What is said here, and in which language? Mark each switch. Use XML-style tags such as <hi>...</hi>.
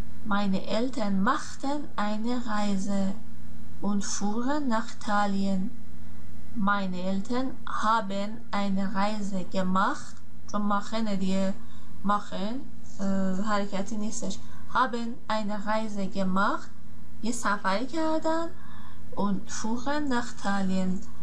<de>Meine Eltern machten eine Reise und fuhren nach Italien. Meine Eltern haben eine Reise gemacht.</de> <fa>چون machen دیه machen حرکتی نیستش.</fa> <de>Haben eine Reise gemacht.</de> <fa>یه سفری کردن.</fa> <de>Und fuhren nach Italien.</de>